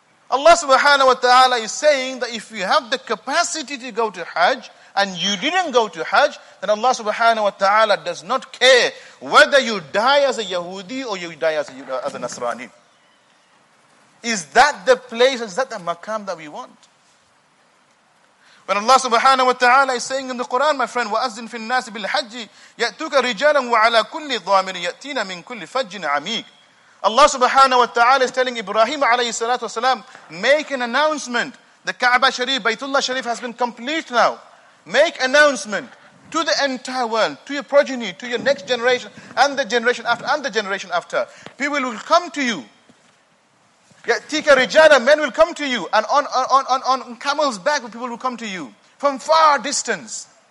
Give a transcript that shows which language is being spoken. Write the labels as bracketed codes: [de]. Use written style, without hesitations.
[en] Allah subhanahu wa ta'ala is saying that if you have the capacity to go to Hajj and you didn't go to Hajj, then Allah subhanahu wa ta'ala does not care whether you die as a Yahudi or you die as a Nasrani. Is that the place, is that the maqam that we want? When Allah subhanahu wa ta'ala is saying in the Quran, my friend, [ar] وَأَذِّنْ فِي النَّاسِ بِالْحَجِّ يَأْتُوكَ رِجَالًا وَعَلَى كُلِّ ضَامِرٍ يَأْتِينَ مِنْ كُلِّ فَجٍّ عَمِيقٍ. [en] Allah subhanahu wa ta'ala is telling Ibrahim alayhi salatu wa salam, make an announcement. The Kaaba Sharif, Baytullah Sharif has been complete now. Make announcement to the entire world, to your progeny, to your next generation, and the generation after, and the generation after. People will come to you. [ar] Yatika rijana, [en] men will come to you, and on camel's back, people will come to you from far distance.